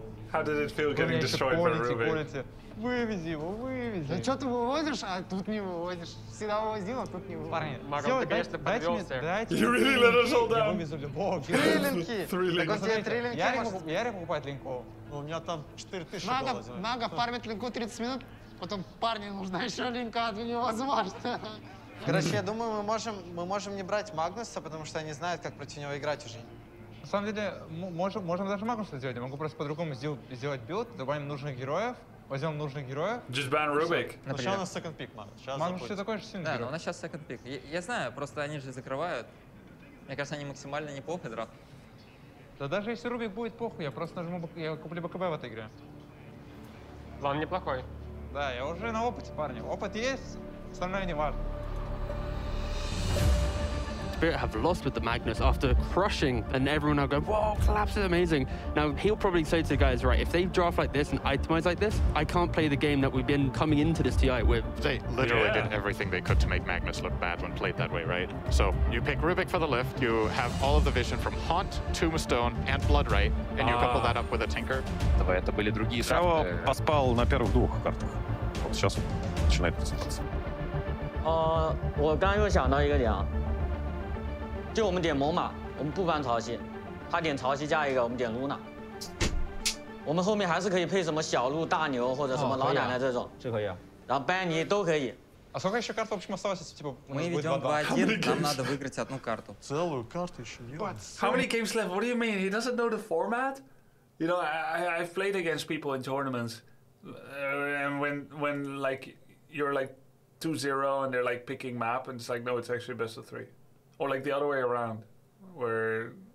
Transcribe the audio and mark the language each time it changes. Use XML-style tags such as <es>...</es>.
<en>How did it feel getting destroyed by Рубик?</en> <ru>Вывези его, вывези. Да что ты вывозишь, а тут не вывозишь. Всегда вывозил, а тут не вывозишь. Парни, Мага, ты, конечно, подвелся.</ru> <en>You really let us all down.</en> <ru>Три линки. Так вот тебе три линки. Я рекомендую покупать линку. У меня там 4000 было. Мага фармит линку 30 минут, потом парню нужна еще линка, а то невозможно. Короче, я думаю, мы можем не брать Магнуса, потому что они знают, как против него играть уже. На самом деле, можем даже Магнуса сделать. Я могу просто по-другому сделать билд, добавим нужных героев, возьмем нужных героев.</ru> <en>Just ban Рубик.</en> <ru>Сейчас у нас</ru> <en>second pick,</en> <ru>Магнус. Магнус еще такой же сильный герой. Да, но у нас сейчас</ru> <en>second pick.</en> <ru>Я знаю, просто они же закрывают. Мне кажется, они максимально неплохо драфт. Да даже если Рубик будет похуй, я просто нажму, я куплю БКБ в этой игре. План неплохой. Да, я уже на опыте, парни. Опыт есть, остальное не важно.</ru> <en>Spirit have lost with the Magnus after crushing, and everyone now go, whoa, Collapse is amazing. Now, he'll probably say to the guys, right, if they draft like this and itemize like this, I can't play the game that we've been coming into this TI with. They literally did everything they could to make Magnus look bad when played that way, right? So you pick Rubik for the lift, you have all of the vision from Haunt, Tombstone, and Bloodright, and you couple that up with a Tinker.</en> <ru>Давай, это были другие карты. Я поспал на первых двух картах. Вот сейчас начинает просыпаться.</ru> <zh>我刚又想到一个点啊。就我们点猛犸，我们不搬潮汐，他点潮汐加一个，我们点露娜，我们后面还是可以配什么小鹿、大牛或者什么老奶奶这种，这可以啊。然后班尼都可以，</zh> <ru>А сколько еще карт, в общем, осталось? Типа, мы ведем 2-1, нам надо выиграть одну карту. Целую карту еще нет.</ru> <en>How many games left? What do you mean? He doesn't know the format? You know, I've played against people in tournaments. And when like, you're like 2-0 and they're like picking map, and it's like, no, it's actually best of three. Or like the other way around, where...</en>